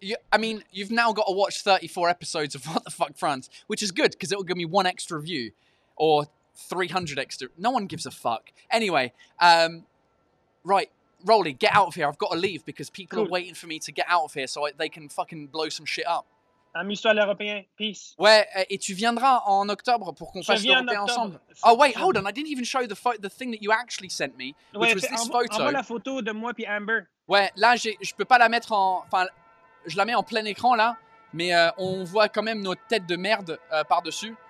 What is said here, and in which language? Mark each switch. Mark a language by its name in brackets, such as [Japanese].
[English] I mean, you've now got to watch 34 episodes of What the Fuck France, which is good because it will give me one extra view or 300 extra. No one gives a fuck. Anyway, right. Rolly, get out of here. I've got to leave because people cool. are waiting for me to get out of here so they can fucking blow some shit up. [French] Amuse-toi l'Européen. Peace. Ouais, et tu viendras en octobre pour qu'on fasse l'Européen ensemble. [English] Oh, wait, hold on. I didn't even show the thing that you actually sent me, which ouais, was this photo. [French] Envoie la photo de moi puis Amber. Ouais, là, je peux pas la mettre en... Enfin, je la mets en plein écran, là, mais on voit quand même nos têtes de merde par-dessus.